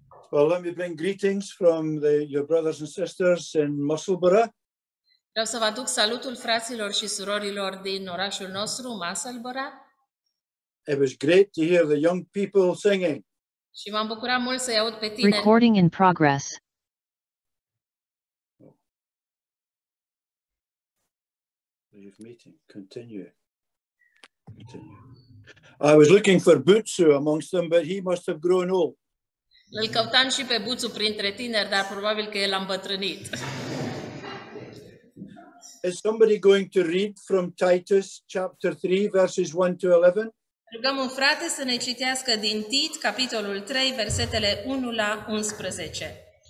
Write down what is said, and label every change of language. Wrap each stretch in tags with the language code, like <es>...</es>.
<en>Well, let me bring greetings from your brothers and sisters in Musselburgh.</en> <ro>Vreau să vă aduc salutul fraților și surorilor din orașul nostru, Musselburgh.</ro> <en>It was great to hear the young people singing.</en> <ro>Și m-am bucurat mult să-i aud pe tine.</ro> <en>Recording in progress. Meeting. Continue. I was looking for Butsu amongst them, but he must have grown old.</en> <ro>Îl căutam și pe Butsu printre tineri, dar probabil că el a îmbătrânit.</ro> <en>Is somebody going to read from Titus chapter 3 verses 1 to 11?</en> <ro>Rugăm un frate să ne citească din Tit capitolul 3 versetele 1 la 11.</ro>